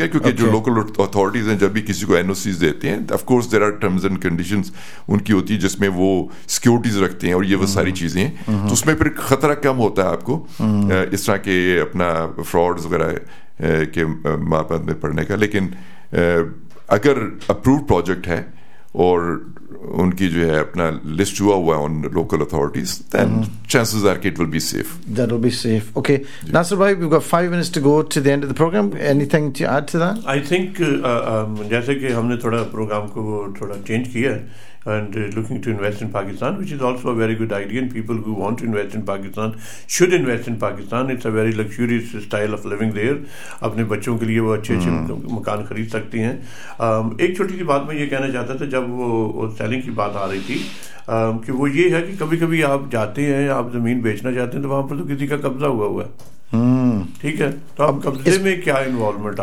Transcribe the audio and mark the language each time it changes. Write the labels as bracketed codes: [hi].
[hi] क्योंकि जो local authorities हैं जब भी किसी को एनओसीज देते हैं [en] of course there are terms and conditions [hi] उनकी होती है जिसमें वो सिक्योरिटीज रखते हैं और ये वो सारी चीजें हैं तो उसमें फिर खतरा कम होता है आपको इस तरह के अपना फ्रॉड्स वगैरह के मारपीट में पड़ने का लेकिन अगर अप्रूव्ड प्रोजेक्ट है और उनकी जो है अपना लिस्ट हुआ हुआ है [en] on local authorities then chances are it will be safe that will be safe okay Nasir भाई we have 5 minutes to go to the end of the program anything to add to that I think [hi] जैसे कि हमने थोड़ा programme को थोड़ा change किया है [en] and looking to invest in Pakistan, which is also a very good idea, and people who want to invest in Pakistan should invest in Pakistan. It's a very luxurious style of living there. [hi] अपने बच्चों के लिए वो अच्छे-अच्छे मकान खरीद सकती हैं. एक छोटी सी बात मैं ये कहना चाहता था जब वो selling की बात आ रही थी कि वो ये है कि कभी-कभी आप जाते हैं, आप ज़मीन बेचना चाहते हैं, तो वहाँ पर तो किसी का कब्जा हुआ हुआ है. ठीक है तो अब कब्जे में क्या इन्वॉल्वमेंट